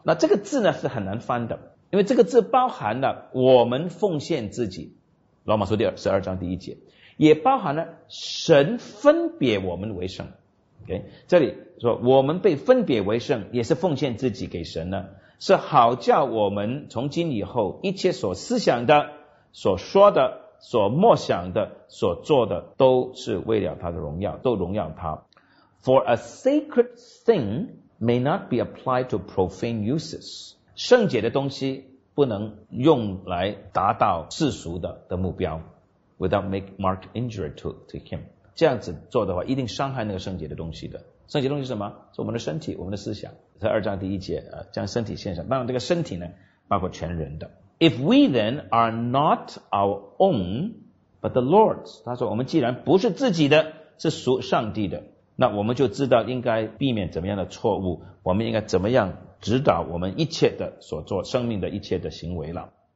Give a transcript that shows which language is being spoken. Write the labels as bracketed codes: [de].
[zh] 那这个字呢是很难翻的，因为这个字包含了我们奉献自己，罗马书第12章第一节，也包含了神分别我们为圣。 OK, 这里说我们被分别为圣也是奉献自己给神呢，是好叫我们从今以后一切所思想的、所说的、所默想的、所做的，都是为了他的荣耀，都荣耀他。 [en] For a sacred thing may not be applied to profane uses, 圣洁的东西不能用来达到世俗的目标。 [zh] Without make mark injury to him, 这样子做的话一定伤害那个圣洁的东西的。圣洁的东西是什么？是我们的身体，我们的思想。在二章第一节，将身体献上，当然这个身体呢包括全人的。 If we then are not our own but the Lord's, 他说我们既然不是自己的，是属上帝的，那我们就知道应该避免怎么样的错误，我们应该怎么样指导我们一切的所做，生命的一切的行为了。